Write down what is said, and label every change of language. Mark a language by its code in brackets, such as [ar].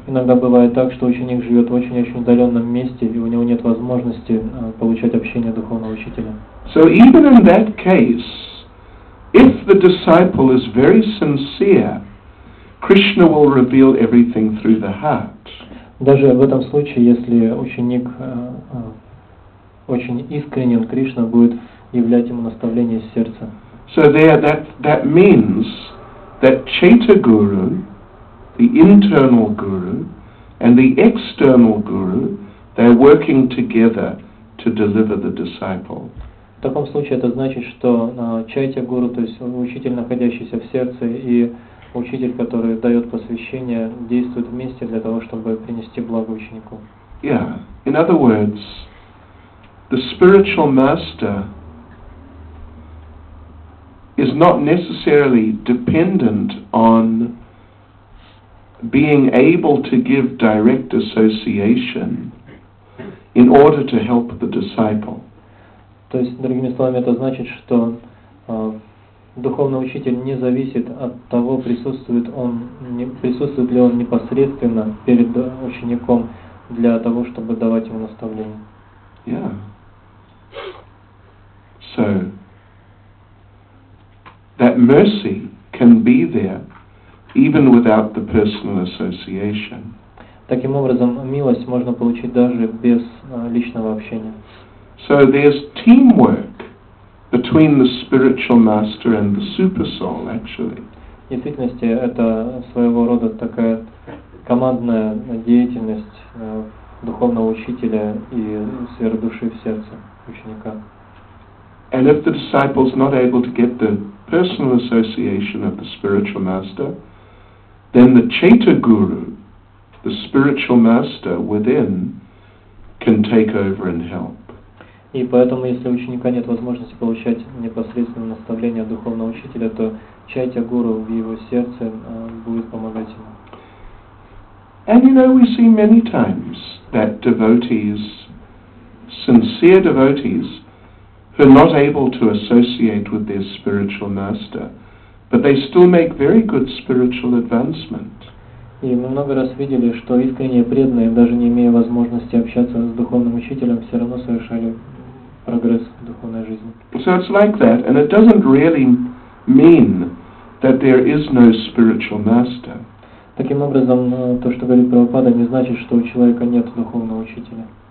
[ru] Иногда бывает так, что ученик живет в очень-очень удаленном месте, и у него нет возможности получать общение духовного учителя. [en] So even in that case, if the disciple is very sincere, Krishna will reveal everything through the heart. [ru] Даже в этом случае, если ученик очень искренен, Кришна будет являть ему наставление из сердца. [en] So there, that means that Chaita Guru, the internal guru, and the external guru, they're working together to deliver the disciple. [ru] В таком случае это значит, что Чайта Гуру, то есть учитель, находящийся в сердце, и учитель, который дает посвящение, действует вместе для того, чтобы принести благо ученику. [en] Yeah. In other words, the spiritual master is not necessarily dependent on being able to give direct association in order to help the disciple. [ru] То есть, другими словами, это значит, что духовный учитель не зависит от того, присутствует ли он непосредственно перед учеником для того, чтобы давать ему наставление. [en] Yeah. So that mercy can be there even without the personal association. [ru] Таким образом, милость можно получить даже без личного общения. [en] So there's teamwork between the spiritual master and the super soul, actually. [ru] В действительности, это своего рода такая командная деятельность духовного учителя и сверхдуши в сердце ученика. [en] And if the disciple is not able to get the personal association of the spiritual master, then the Chaita Guru, the spiritual master within, can take over and help. [ru] И поэтому, если у ученика нет возможности получать непосредственное наставление от духовного учителя, то Чайта Гуру в его сердце будет помогать ему. [en] And you know, we see many times that devotees, sincere devotees, who are not able to associate with their spiritual master, but they still make very good spiritual advancement. [ru] И мы много раз видели, что искренние преданные, даже не имея возможности общаться с духовным учителем, все равно совершали прогресс в духовной жизни. [en] So it's like that, and it doesn't really mean that there is no spiritual master. [ru] Таким образом, то, что говорит Прабхупада, не значит, что у человека нет духовного учителя.